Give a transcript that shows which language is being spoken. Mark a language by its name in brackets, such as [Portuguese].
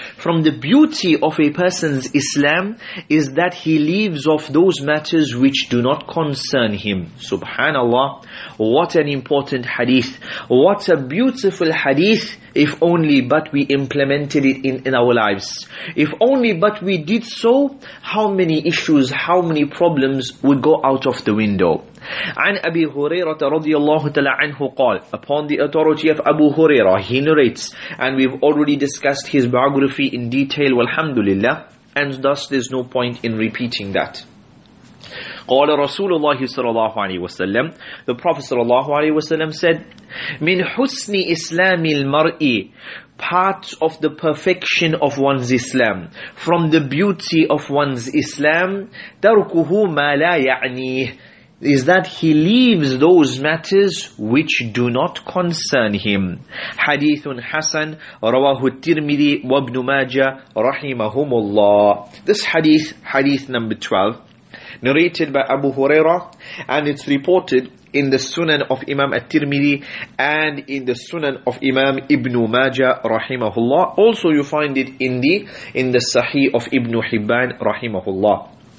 [English] From the beauty of a person's Islam is that he leaves off those matters which do not concern him. Subhanallah. What an important hadith. What a beautiful hadith. If only but we implemented it in our lives. If only but we did so, how many issues, how many problems would go out of the window? [Arabic] عن أبي هريرة رضي الله تعالى عنه قال. [English] Upon the authority of Abu Huraira, he narrates, and we've already discussed his biography in detail, walhamdulillah, and thus there's no point in repeating that. [Arabic] قال رسول الله صلى الله عليه وسلم. [English] The Prophet [Arabic] صلى الله عليه وسلم [English] said, [Arabic] من حسن إسلام المرء. [English] Part of the perfection of one's Islam, from the beauty of one's Islam, [Arabic] تركه ما لا يعني, [English] is that he leaves those matters which do not concern him. [Arabic] حديث حسن رواه الترمذي وابن ماجه رحمهم الله. [English] This hadith number 12, narrated by Abu Huraira, and it's reported in the Sunan of Imam At-Tirmidhi and in the Sunan of Imam Ibn Majah rahimahullah. Also you find it in the Sahih of Ibn Hibban rahimahullah.